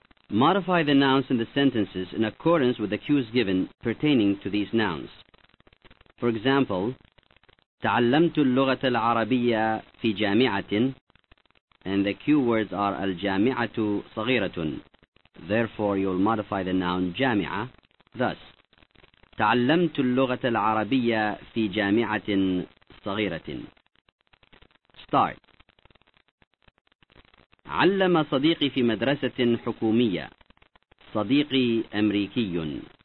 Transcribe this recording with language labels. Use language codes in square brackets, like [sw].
[en] Modify the nouns in the sentences in accordance with the cues given pertaining to these nouns. For example, [ar] تعلمت اللغة العربية في جامعة, [en] and the cue words are [ar] الجامعة صغيرة. [en] Therefore, you'll modify the noun جامعة. [ar] Thus, تعلمت اللغة العربية في جامعة صغيرة. [en] Start. [ar] علم صديقي في مدرسة حكومية. صديقي أمريكي.